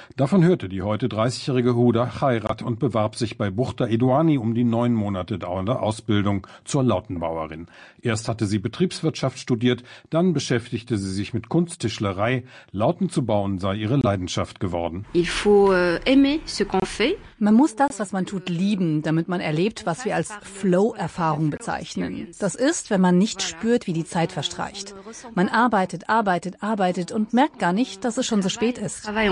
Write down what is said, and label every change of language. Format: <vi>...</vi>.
<de>Davon hörte die heute 30-jährige Huda Khairat und bewarb sich bei Buchta Edouani um die 9 Monate dauernde Ausbildung zur Lautenbauerin. Erst hatte sie Betriebswirtschaft studiert, dann beschäftigte sie sich mit Kunsttischlerei. Lauten zu bauen sei ihre Leidenschaft geworden.</de> <fr>Il faut aimer ce qu'on fait.</fr> <de>Man muss das, was man tut, lieben, damit man erlebt, was wir als Flow-Erfahrung bezeichnen. Das ist, wenn man nicht spürt, wie die Zeit verstreicht. Man arbeitet, arbeitet, arbeitet und merkt gar nicht, dass es schon so spät ist.</de>